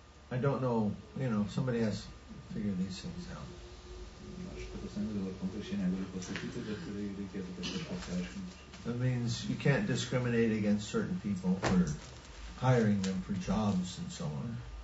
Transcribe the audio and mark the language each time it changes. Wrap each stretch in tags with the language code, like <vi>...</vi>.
<en>I don't know, you know, somebody has to figure these things out.</en> <lt>Aš tai pasakyti dabar konkrečiai negaliu pasakyti, bet reikėtų tai pasiaiškinti.</lt> <en>That means you can't discriminate against certain people for hiring them for jobs and so on.</en>